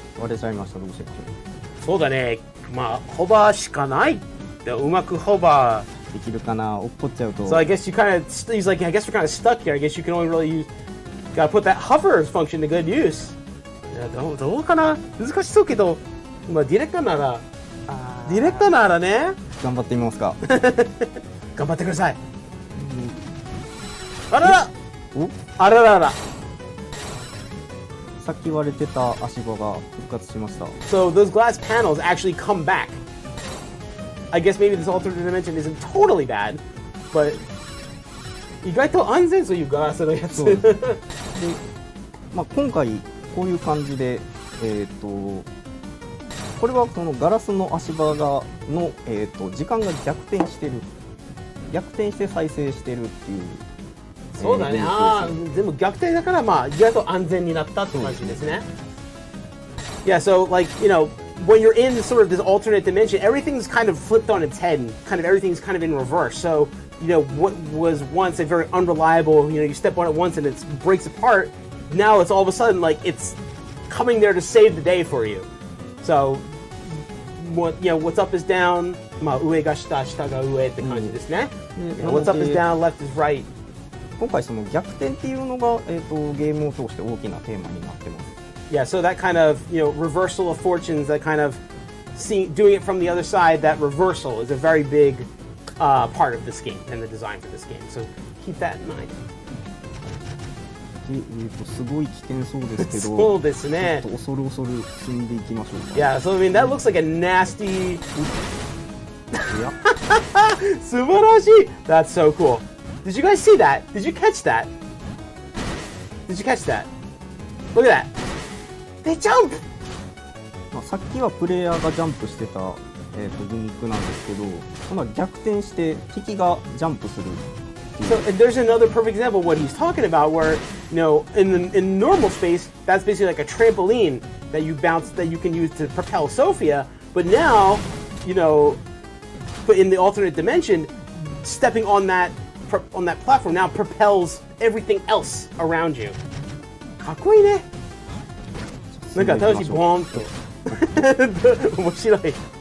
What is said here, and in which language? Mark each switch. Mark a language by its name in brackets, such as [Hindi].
[Japanese] 割れちゃいましたどうせ。そうだね。まあ、ホバーしかないで、うまくホバーできるかな、落っこっちゃうと。 [English] So I guess you kind of, he's like, I guess we're kind of stuck here. I guess you can only really use, gotta put that hover function to good use. [Japanese] どうかな、難しそうけど、まあ、ディレクターならね。頑張ってみますか。頑張ってください。あららお、あららら。さっき割れてた足場が復活しました。 [English] So those glass panels actually come back. I guess maybe this alternate dimension isn't totally bad, but [Japanese] 意外と安全そういうガラスのやつ。で、まあ、今回こういう感じで、これはこのガラスの足場がの、時間が逆転してる、逆転して再生してるっていう。そうだね、全部虐待だから、まあ、意外と安全になったって感じですね。 [English] Yeah, so like, you know, when you're in sort of this alternate dimension, everything's kind of flipped on its head and kind of everything's kind of in reverse. So, you know, what was once a very unreliable, you know, you step on it once and it breaks apart, now it's all of a sudden like it's coming there to save the day for you. So, what, you know, what's up is down, [Japanese] まあ上が下、下が上って感じですね。 [English] You know, what's up is down, left is right. [Japanese] 今回その逆転っていうのが、ゲームを通して大きなテーマになってます。 [English] Yeah, so that kind of, you know, reversal of fortunes, that kind of seeing, doing it from the other side, that reversal is a very big part of this game and the design for this game. So keep that in mind. [Japanese] すごい危険そうですけど、そうですね。ちょっと恐る恐る進んでいきましょうか。 [English] Yeah, so I mean, that looks like a nasty... [Japanese] すばらしい! [English] That's so cool. Did you guys see that? Did you catch that? Did you catch that? Look at that. They jump! [Japanese] まあ、さっきはプレイヤーがジャンプしてた、ギミックなんですけど、今逆転して敵がジャンプする。 [English] So, there's another perfect example of what he's talking about, where, you know, in normal space, that's basically like a trampoline that you bounce, that you can use to propel Sophia, but now, you know, but in the alternate dimension, stepping on that platform now propels everything else around you. [Japanese] かっこいいね。なんか楽しいボーンと面白い